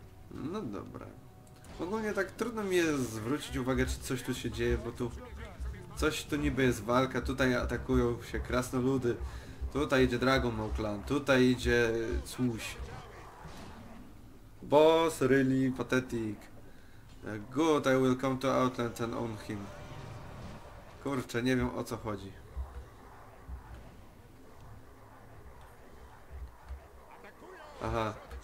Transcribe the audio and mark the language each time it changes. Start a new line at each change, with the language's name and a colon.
Polish: No dobra. Ogólnie tak trudno mi jest zwrócić uwagę, czy coś tu się dzieje, bo tu coś tu niby jest walka, tutaj atakują się krasnoludy, tutaj idzie Dragon Maw Clan, tutaj idzie Cuś.
English: Boss really pathetic. Good, I will come to Outland and own him.
Polish: Kurczę, nie wiem o co chodzi. Aha.